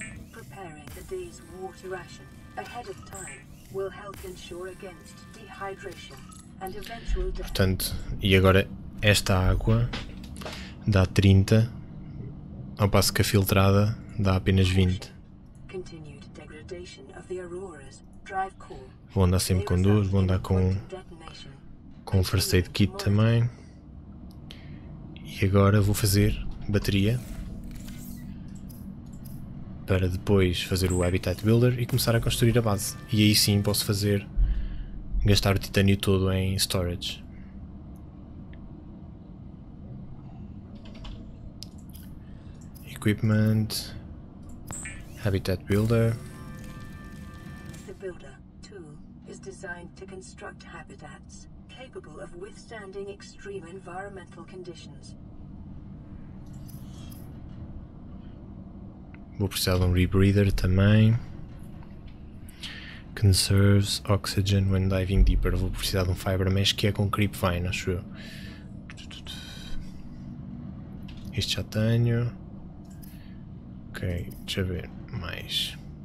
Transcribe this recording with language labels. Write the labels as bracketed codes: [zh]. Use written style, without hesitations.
[en] Preparing the day's water ration. Ahead of time will help ensure against dehydration and eventual death. [pt] Portanto, e agora esta água dá 30, ao passo que a filtrada dá apenas 20. [en] Continued degradation of the auroras. Drive core. [pt] Vou andar sempre com duas, vou andar com um first aid kit também. E agora vou fazer bateria. Para depois fazer o Habitat Builder e começar a construir a base. E aí sim posso fazer... gastar o titânio todo em storage. [en] Equipment... Habitat Builder... The Builder tool is designed to construct habitats capable of withstanding extreme environmental conditions. [pt] Vou precisar de um rebreather também. [en] Conserves oxygen when diving deeper. [pt] Vou precisar de um fiber mesh que é com creep vine, acho eu. Este já tenho. Ok, deixa ver mais.